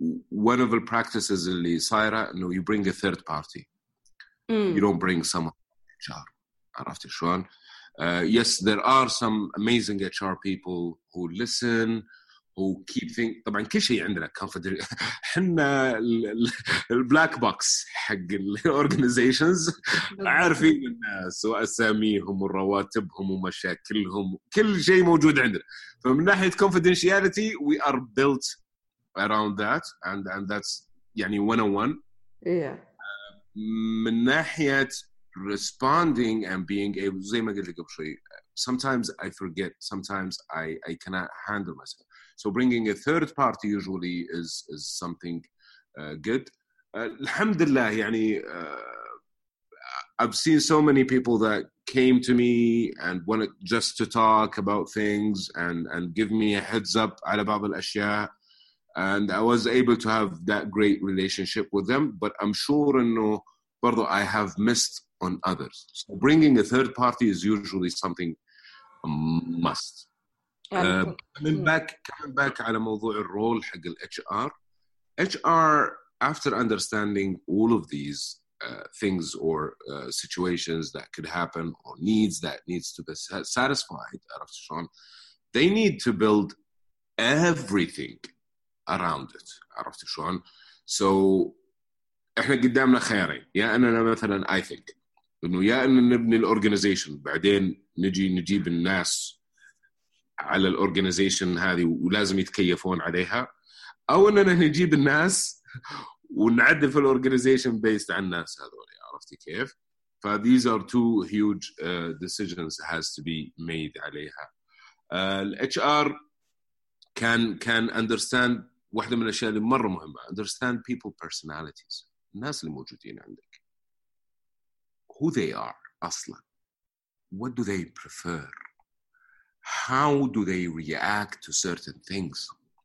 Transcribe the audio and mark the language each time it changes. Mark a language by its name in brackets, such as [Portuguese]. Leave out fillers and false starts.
[English] one of the practices [Arabic] اللي صايرة إنه [English] you bring a third party. You don't bring someone HR. [Arabic] عرفت شلون؟ [English] yes there are some amazing HR people who listen who keep things. [Arabic] طبعا كل شيء عندنا confidential. حنا ال black box حق ال organizations. عارفين الناس وأساميهم والرواتبهم ومشاكلهم كل شيء موجود عندنا. فمن ناحية [English] confidentiality we are built around that and that's يعني 101. yeah. [Arabic] من ناحية [English] responding and being able [Arabic] زي ما قلت لك قبل شوي [English] sometimes I forget, sometimes I cannot handle myself. So bringing a third party usually is something good. [Arabic] الحمد لله يعني [English] I've seen so many people that came to me and wanted just to talk about things and give me a heads up [Arabic] على بعض الأشياء [English] and I was able to have that great relationship with them. But I'm sure [Arabic] إنه برضو [English] I have missed on others. So bringing a third party is usually something must. Coming back [Arabic] على موضوع الرول حق الـ HR. [English] HR, after understanding all of these things or situations that could happen or needs that needs to be satisfied, [Arabic] عرفت شلون, [English] they need to build everything around it. عرفت شلون? So [Arabic] احنا قدامنا خيارين، يا اننا مثلا اي ثينك انه يا ان نبني الاورجنايزيشن بعدين نجي نجيب الناس على الاورجنايزيشن هذه ولازم يتكيفون عليها، او اننا نجيب الناس ونعدل في الاورجنايزيشن بيست على الناس هذول، عرفتي كيف؟ ف [English] these are two huge decisions has to be made [Arabic] عليها. [English] HR can understand [Arabic] واحدة من الأشياء اللي مرة مهمة [English] understand people personalities، [Arabic] الناس اللي موجودين عندك [English] who they are أصلا، what do they prefer، how do they react to certain things.